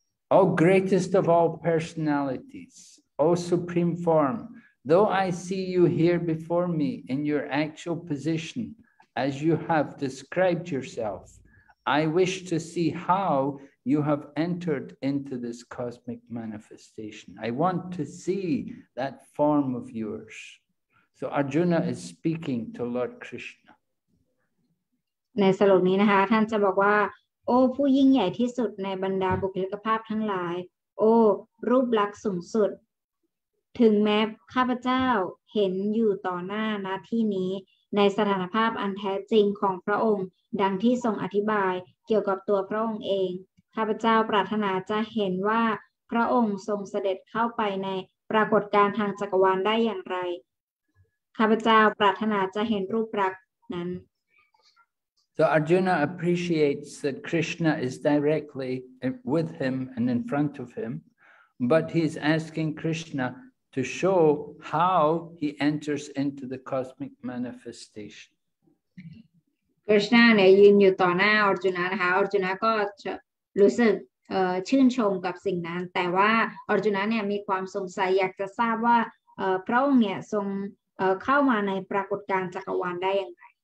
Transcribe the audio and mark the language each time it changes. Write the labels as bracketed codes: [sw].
[en] O greatest of all personalities, O supreme form, though I see you here before me in your actual position, as you have described yourself, I wish to see how. You have entered into this cosmic manifestation. I want to see that form of yours. So Arjuna is speaking to Lord Krishna. [th] ในสรุปนี้นะคะท่านจะบอกว่าโอ้ผู้ยิ่งใหญ่ที่สุดในบรรดาบุคลิกภาพทั้งหลายโอ้รูปลักษณ์สูงสุดถึงแม้ข้าพเจ้าเห็นอยู่ต่อหน้าณที่นี้ในสถานภาพอันแท้จริงของพระองค์ดังที่ทรงอธิบายเกี่ยวกับตัวพระองค์เองข้าพเจ้าปรารถนาจะเห็นว่าพระองค์ทรงเสด็จเข้าไปในปรากฏการณ์ทางจักรวาลได้อย่างไรข้าพเจ้าปรารถนาจะเห็นรูปลักษณ์ นั้น [en] So Arjuna appreciates that Krishna is directly with him and in front of him, but he is asking Krishna to show how he enters into the cosmic manifestation. [th] Krishna เนี่ยยืนอยู่ต่อหน้า Arjuna นะคะ Arjuna ก็รู้สึกชื่นชมกับสิ่งนั้นแต่ว่า Arjuna เนี่ยมีความสงสัยอยากจะทราบว่าพระองค์เนี่ยทรงเข้ามาในปรากฏการณ์จักรวาลได้อย่างไร